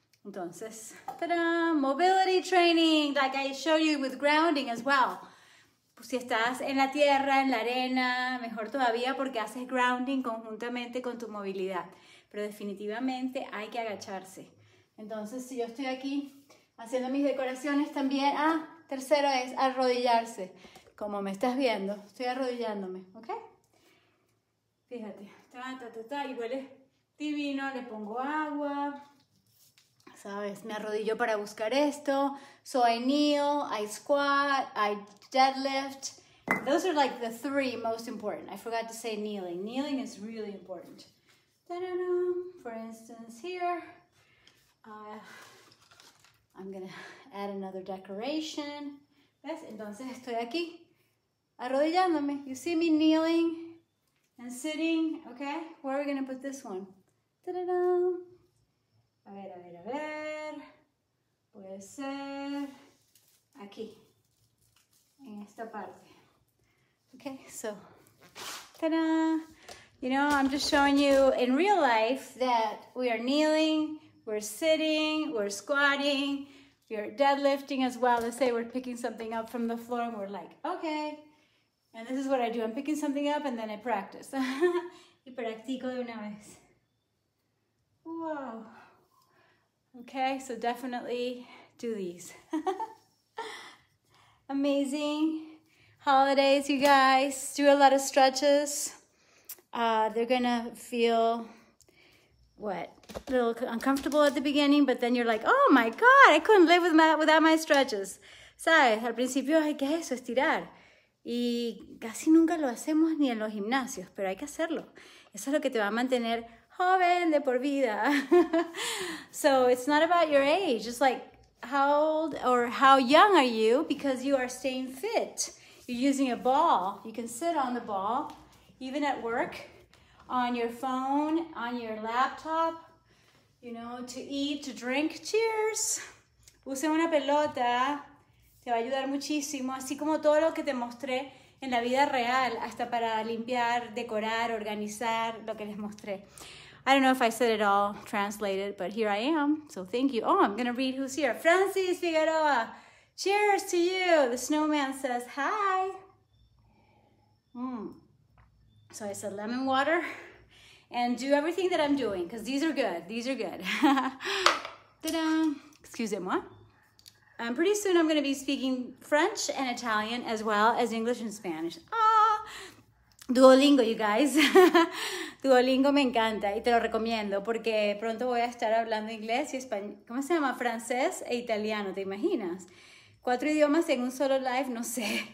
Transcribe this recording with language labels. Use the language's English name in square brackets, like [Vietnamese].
[English] Entonces, ta-da, mobility training, like I showed you with grounding as well. [Spanish] Pues si estás en la tierra, en la arena, mejor todavía porque haces grounding conjuntamente con tu movilidad. Pero definitivamente hay que agacharse. Entonces, si yo estoy aquí haciendo mis decoraciones también, tercero es arrodillarse. Como me estás viendo, estoy arrodillándome, ¿ok? Fíjate, ta-ta-ta-ta, y huele divino, le pongo agua... ¿Sabes? Me arrodillo para buscar esto. [English] So I kneel, I squat, I deadlift. Those are like the three most important. I forgot to say kneeling. Kneeling is really important. Ta-da-da. For instance, here, I'm going to add another decoration. [Spanish] ¿Ves? Entonces estoy aquí arrodillándome. [English] You see me kneeling and sitting? Okay, where are we going to put this one? Ta-da-da. [Spanish] A ver, a ver, a ver, puede ser aquí, en esta parte. [English] Okay, so, ta-da! You know, I'm just showing you in real life that we are kneeling, we're sitting, we're squatting, we're deadlifting as well. Let's say we're picking something up from the floor and we're like, okay. And this is what I do, I'm picking something up and then I practice. [Spanish] Y practico de una vez. Wow. [English] Okay, so definitely do these. Amazing holidays, you guys. Do a lot of stretches. They're gonna feel, what, little uncomfortable at the beginning, but then you're like, oh my God, I couldn't live without my stretches. [Spanish] ¿Sabes? Al principio hay que eso, estirar. Y casi nunca lo hacemos ni en los gimnasios, pero hay que hacerlo. Eso es lo que te va a mantener joven de por vida. [English] So it's not about your age. It's like, how old or how young are you? Because you are staying fit. You're using a ball. You can sit on the ball, even at work, on your phone, on your laptop, you know, to eat, to drink. [Spanish] Cheers. Use una pelota. Te va a ayudar muchísimo, así como todo lo que te mostré en la vida real, hasta para limpiar, decorar, organizar, lo que les mostré. [English] I don't know if I said it all translated, but here I am, so thank you. Oh, I'm going to read who's here. Francis Figueroa, cheers to you. The snowman says hi. So I said lemon water and do everything that I'm doing, because these are good. These are good. Ta-da. [French] Excusez-moi. [English] Pretty soon I'm going to be speaking French and Italian as well as English and Spanish. Ah, Duolingo, you guys. [Spanish] Duolingo me encanta y te lo recomiendo porque pronto voy a estar hablando inglés y español. ¿Cómo se llama? Francés e italiano, ¿te imaginas? Cuatro idiomas en un solo live, no sé.